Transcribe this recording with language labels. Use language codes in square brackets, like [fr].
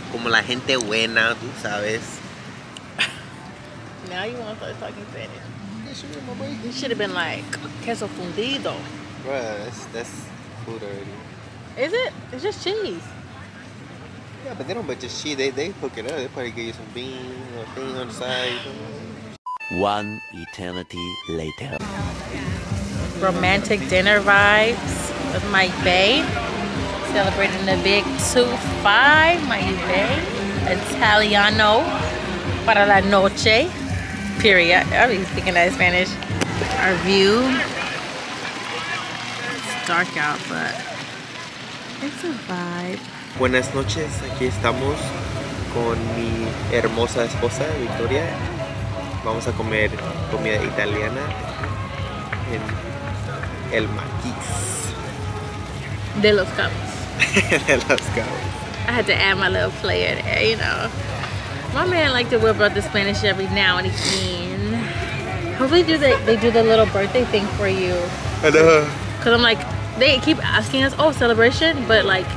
[es] Como la gente buena, tú sabes. [en] Now you want to start talking Spanish. You should have been like, [es] queso fundido. [en] Bro, that's food already. Is it? It's just cheese. Yeah, but they don't put just cheese. They cook it up. They probably give you some beans or things on the side. One eternity later. Romantic dinner vibes with my bae. Celebrating the big 2-5, my bae. [es] Italiano para la noche. Period. [en] I'll be speaking that in Spanish. Our view. It's dark out, but it's a vibe. [es] Buenas noches. Aquí estamos con mi hermosa esposa, Victoria. Vamos a comer comida italiana en el Marquis. De los Cabos. De los Cabos. [en] I had to add my little player there, you know. My man like to whip out the Spanish every now and again. Hopefully they do the little birthday thing for you. I know. Cause I'm like, they keep asking us, oh, celebration, but like